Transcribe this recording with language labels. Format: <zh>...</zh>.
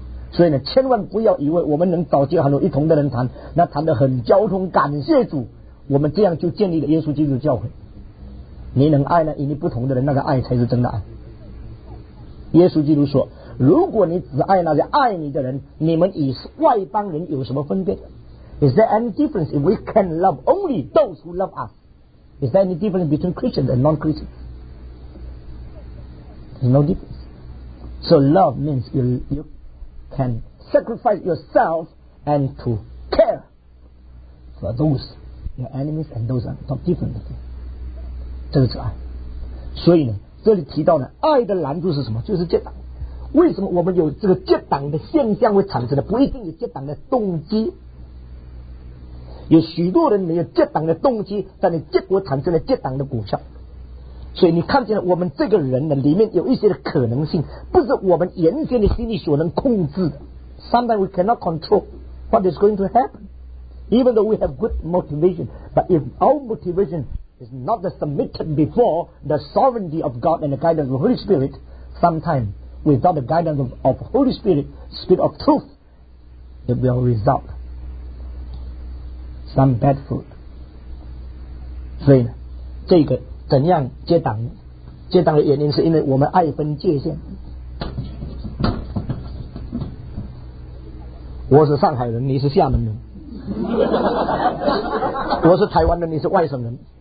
<zh>所以呢，千万不要以为我们能找些很多一同的人谈，那谈得很交通，感谢主，我们这样就建立了耶稣基督的教会。你能爱呢，与你不同的人，那个爱才是真的爱。耶稣基督说，如果你只爱那些爱你的人，你们与外邦人有什么分别？</zh> <en>Is there any difference if we can love only those who love us? Is there any difference between Christians and non-Christians? There's no difference. So love means you can sacrifice yourself and to care for those, your enemies, and those are not different.</en> <zh>这个是爱。所以呢，这里提到呢，爱的拦阻是什么？就是结党。为什么我们有这个结党的现象会产生的？不一定有结党的动机，有许多人没有结党的动机，但你结果产生了结党的果效。所以你看见了，我们这个人呢，里面有一些的可能性，不是我们原先的心理所能控制的。</zh> <en>Sometimes we cannot control what is going to happen, even though we have good motivation. But if our motivation is not submitted before the sovereignty of God and the guidance of the Holy Spirit, sometimes without the guidance of Holy Spirit, Spirit of Truth, it will result some bad fruit.</en> <zh>所以呢，这个怎样结党？结党的原因是因为我们爱分界限。我是上海人，你是厦门人；我是台湾人，你是外省人。</zh>